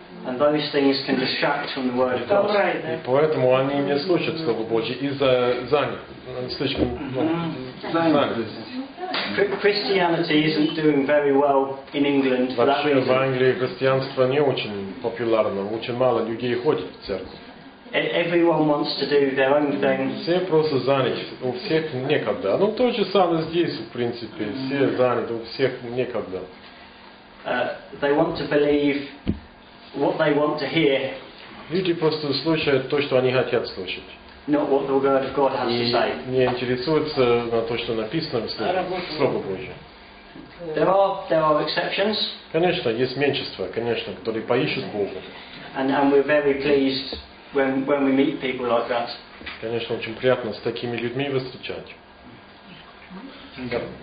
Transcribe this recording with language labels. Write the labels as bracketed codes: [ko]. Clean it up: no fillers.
[en] And those things can distract from the Word of God. [ru] И поэтому они не слушают Слово Божие из-за занятости. Они слишком заняты. [en] Christianity isn't doing very well in England for that reason. [ru] В Англии христианство не очень популярно. Очень мало людей ходит в церковь. [en] Everyone wants to do their own thing. [ru] Все просто заняты. У всех некогда. Ну, то же самое здесь, в принципе. Все заняты. У всех некогда. [en] They want to believe what they want to hear. [ru] Люди просто слушают то, что они хотят слушать. [en] Not what the Word of God has to say. [ru] Не интересуются на то, что написано в Слове Божьем. [en] There are exceptions. [ru] Конечно, есть меньшинства, конечно, которые поищут Бога. [en] And we're very pleased when we meet people like that. [ru] Конечно, очень приятно с такими людьми встречать. Да.